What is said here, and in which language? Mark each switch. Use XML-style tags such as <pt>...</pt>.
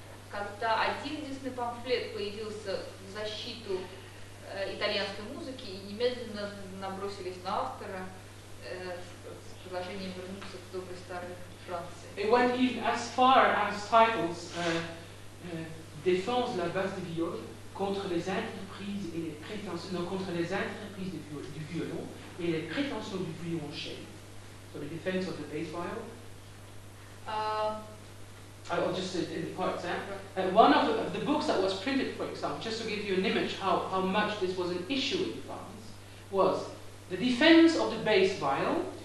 <ru>Когда один единственный памфлет появился в защиту итальянской музыки, и немедленно набросились на автора с предложением вернуться к доброй старой Франции.</ru> <en>It went even as far as titles</en> <fr>"Défense la base du viol contre les entreprises et les prétentions", non, contre les entreprises du violon et les prétentions du violoncelle.</fr> <en>So the defense of the bass viol. I'll just say in part, one of the books that was printed, for example, just to give you an image how much this was an issue in France, was The Defense of the Bass Viol.</en>